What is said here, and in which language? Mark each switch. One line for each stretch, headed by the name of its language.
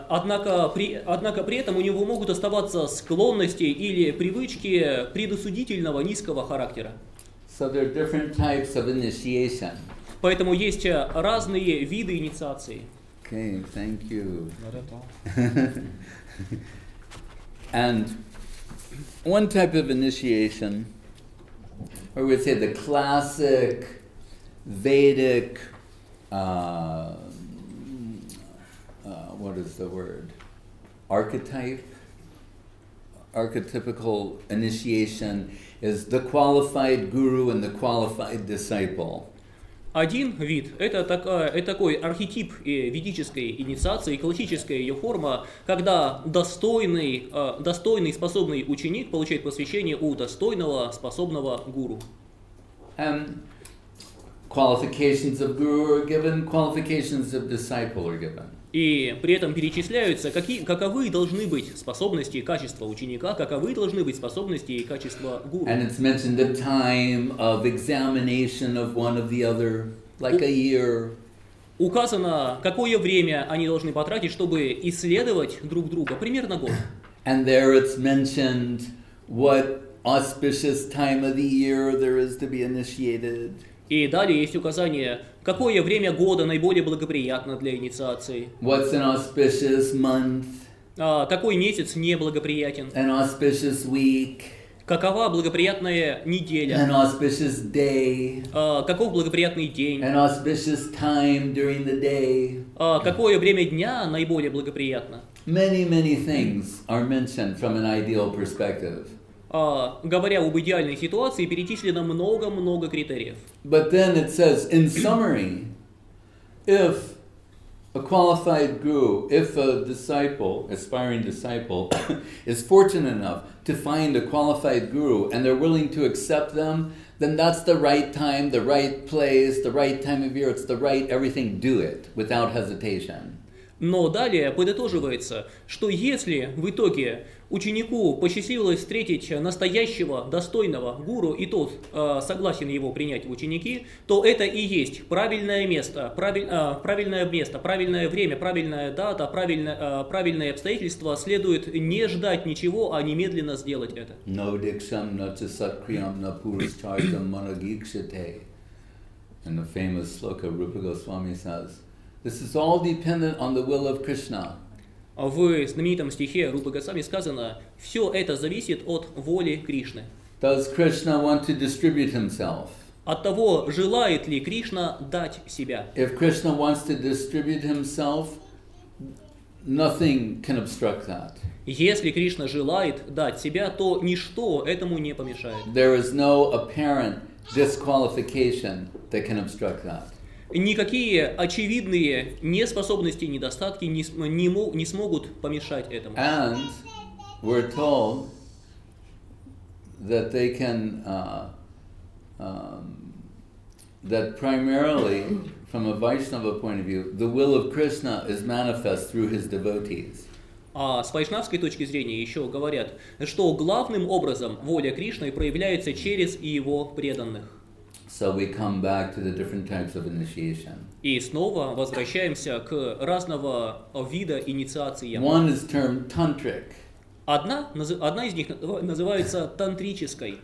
Russian: Однако при этом у него могут оставаться склонности или привычки предосудительного низкого характера.
English: So there are different types of initiation.
Russian: Поэтому есть разные виды инициации.
English: Okay, thank you. And one type of initiation, or we'd say the classic Vedic, what is the word? Archetype? Archetypical initiation is the qualified guru and the qualified disciple.
Russian: Один вид – это такой архетип ведической инициации, классическая ее форма, когда достойный, способный ученик получает посвящение у достойного, способного гуру.
English: And qualifications of guru are given, qualifications of disciple are given.
Russian: И при этом перечисляются, каковы должны быть способности и качества ученика, каковы должны быть способности и качества гуру.
English: And it's mentioned the time of examination of one of the other, like a year.
Russian: Указано, какое время они должны потратить, чтобы исследовать друг друга, примерно год.
English: And there it's mentioned what auspicious time of the year there is to be initiated.
Russian: И далее есть указание, какое время года наиболее благоприятно для инициации.
English: What's an auspicious month?
Russian: Какой месяц неблагоприятен?
English: An auspicious week.
Russian: Какова благоприятная неделя?
English: An auspicious day.
Russian: Каков благоприятный день?
English: An auspicious time during the day.
Russian: Какое время дня наиболее благоприятно?
English: Many, many things are mentioned from an ideal perspective.
Russian: Говоря об идеальной ситуации, перечислено много-много критериев.
English: But then it says, in summary, if a qualified guru, if a disciple, aspiring disciple, is fortunate enough to find a qualified guru and they're willing to accept them, then that's the right time, the right place, the right time of year, it's the right everything, do it without hesitation.
Russian: Но далее подытоживается, что если в итоге ученику посчастливилось встретить настоящего, достойного гуру, и тот согласен его принять в ученики, то это и есть правильное место, правильное время, правильная дата, правильные обстоятельства. Следует не ждать ничего, а немедленно сделать это.
Sanskrit: Навдиксам нацисаткриям напуристаркам манагикшите.
English: And the famous sloka Rupa Goswami says, this is all dependent on the will of Krishna.
Russian: В знаменитом стихе Рупы Госвами сказано, все это зависит от воли Кришны.
English: Does Krishna want to distribute himself?
Russian: От того, желает ли Кришна дать себя.
English: If Krishna wants to distribute himself, nothing can obstruct that.
Russian: Если Кришна желает дать себя, то ничто этому не помешает.
English: There is no apparent disqualification that can obstruct that.
Russian: Никакие очевидные неспособности, недостатки не смогут помешать этому.
English: And we're told that they can that primarily, from a Vaishnava point of view, the will of Krishna is manifest through his devotees.
Russian: А с вайшнавской точки зрения еще говорят, что главным образом воля Кришны проявляется через его преданных.
English: So we come back to the different types of initiation.
Russian: И снова возвращаемся к разного вида инициации.
English: One is termed tantric.
Russian: Одна из них называется тантрической.